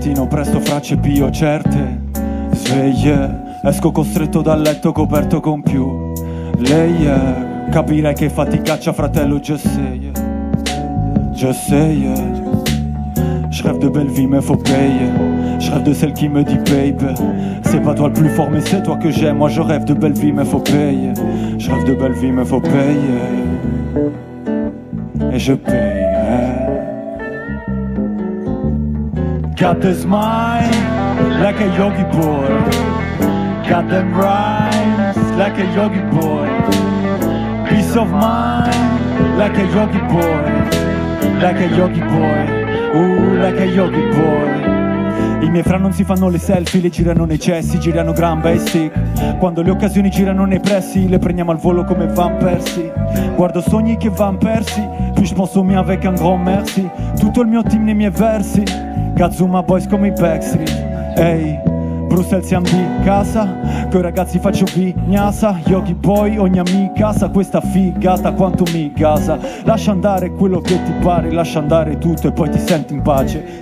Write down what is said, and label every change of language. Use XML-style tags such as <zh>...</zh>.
<it>Presto frasi pio certe, sveglie, esco costretto dal letto coperto con più layer. Capirei che faticaccia, fratello,</it> <en>just say it. Just say it.</en> <fr>Je rêve de belle vie, mais faut payer. Je rêve de celle qui me dit babe. C'est pas toi le plus fort, mais c'est toi que j'aime. Moi je rêve de belle vie, mais faut payer. Je rêve de belle vie, mais faut payer. Et je paye.</fr> <en>Got the smile like a Yogi boy. Got them rhymes like a Yogi boy. Peace of mind like a Yogi boy. Like a Yogi boy. Ooh, like a Yogi boy.</en> <it>I miei fra non si fanno le selfie, le girano nei cessi, girano gran bei stick. Quando le occasioni girano nei pressi, le prendiamo al volo come van persi. Guardo sogni che van persi,</it> <fr>puis je pense au mien avec un grand merci.</fr> <it>Tutto il mio team nei miei versi. Gazzuma boys come i Backstreet. Ehi, Bruxelles siamo di casa. Coi ragazzi faccio vignasa. Yogi boy, ogni amica sa questa figata quanto mi gasa. Lascia andare quello che ti pare. Lascia andare tutto e poi ti senti in pace.</it>